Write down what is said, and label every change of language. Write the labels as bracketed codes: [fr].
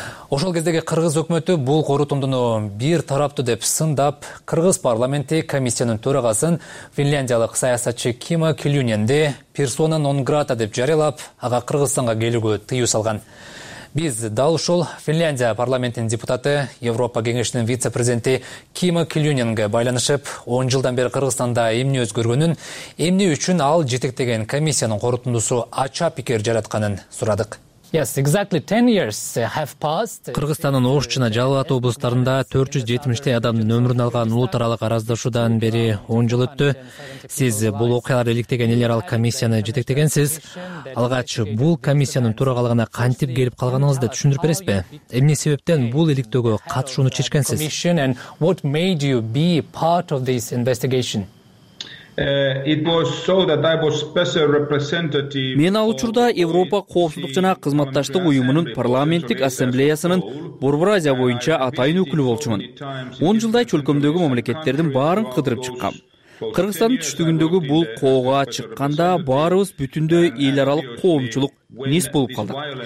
[ky] Ошол кездеги кыргыз өкмөтү бул корутундуну бир тараптуу деп сындап, кыргыз парламенти комиссиянын төрагасын финляндиялык саясатчы Кима Килюненди персона нон грата деп жарыялап, ага Кыргызстанга келүүгө тыюу салган. Биз дал ушул Финляндия парламентинин депутаты, Европа кеңешинин вице-президенти Кима Килюненге байланышып, 10 жылдан бери Кыргызстанда эмне өзгөргөнүн, эмне үчүн ал жетектеген комиссиянын корутундусу ача пикир жаратканын сурадык. [en] Yes, exactly 10 years have passed. [ky] Кыргызстандын Ош жана Жалал Абад облустарында 470 адамдын өмүрүн алган улут аралык араздашуудан бери 10 жыл өттү. Сиз бул окуяларды иликтеген эл аралык комиссияны жетектегенсиз. Алгач бул комиссиянын төрагалыгына кантип келип калганыңызды түшүндүрүп бересизби? Эмне себептен бул иликтөөгө катышууну чечкенсиз? [en] What made you be part of this investigation? It was so that I was special representative. [ky] Мен ал учурда Европа коопсуздук жана кызматташтык уюмунун парламенттик ассамблеясынын Борбор Азия боюнча атайын өкүлү болчумун. 10 жылдай чөлкөмдөгү мамлекеттердин баарын кыдырып чыккам. Кыргызстандын түштүгүндөгү бул коого чыкканда баарыбыз бүтүндөй эл аралык коомчулук низ болуп калдык.